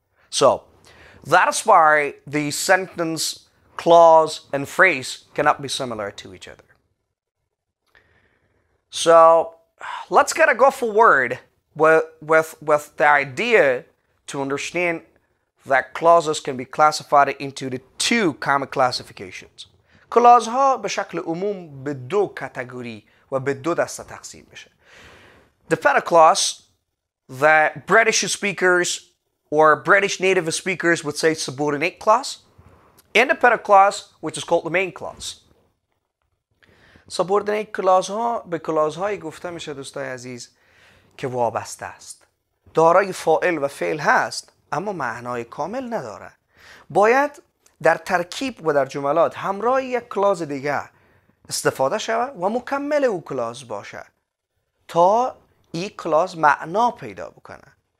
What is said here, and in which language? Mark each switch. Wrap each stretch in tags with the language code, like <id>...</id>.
<en>So, that's why the sentence, clause and phrase cannot be similar to each other. So, let's get a go for word with the idea to understand that clauses can be classified into the two common classifications.</en> <fa>کلاس ها به شکل عموم به دو کاتگوری و به دو دسته تقسیم میشه.</fa> <en>The better clause that British speakers or British native speakers would say subordinate clause, and the better clause which is called the main clause.</en> <fa>Subordinate clause ها به کلاس های گفته میشه دوستای عزیز که وابسته است، دارای فاعل و فعل هست اما معنای کامل نداره. باید در ترکیب و در جملات همراه یک کلاس دیگه استفاده شود و مکمل او کلاس باشه تا این کلاس معنا پیدا بکنه.</fa>